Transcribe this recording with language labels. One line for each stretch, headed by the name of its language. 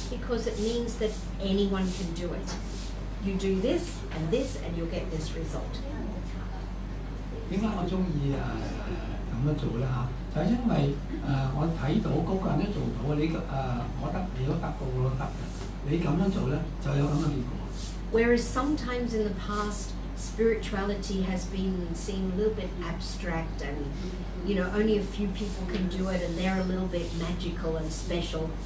English: Because it means that anyone can do it. You do this and this and you'll get this result.
Chinese: 為什麼我喜歡這樣做呢?就是因為我看到那個人都做到,你覺得你都得到,你這樣做就有這樣的結果。
English: Whereas sometimes in the past, spirituality has been seen a little bit abstract and, you know, only a few people can do it and they're a little bit magical and special.